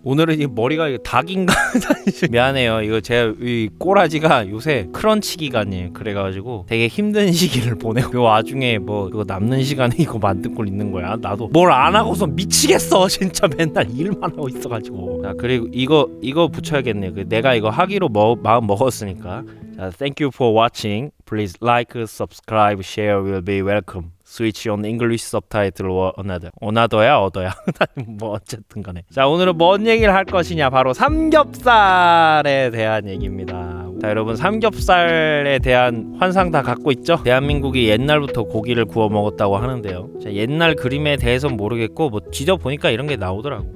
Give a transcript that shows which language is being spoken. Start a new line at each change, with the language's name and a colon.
Korean: 오늘은 이 머리가 닭인가? 미안해요. 이거 제가 이 꼬라지가 요새 크런치 기간이에요. 그래가지고 되게 힘든 시기를 보내고 그 와중에 뭐 그거 남는 시간에 이거 만들고 있는 거야. 나도 뭘 안 하고서 미치겠어. 진짜 맨날 일만 하고 있어가지고. 자 그리고 이거 붙여야겠네요. 내가 이거 하기로 마음 먹었으니까.
English: 자, thank you for watching. Please like, subscribe, share will be welcome. Switch on English subtitle or another.
Korean: 오나더야 어더야 뭐 어쨌든 간에. 자 오늘은 뭔 얘기를 할 것이냐, 바로 삼겹살에 대한 얘기입니다. 자 여러분, 삼겹살에 대한 환상 다 갖고 있죠? 대한민국이 옛날부터 고기를 구워 먹었다고 하는데요. 자 옛날 그림에 대해서는 모르겠고 뭐 뒤져보니까 이런 게 나오더라고.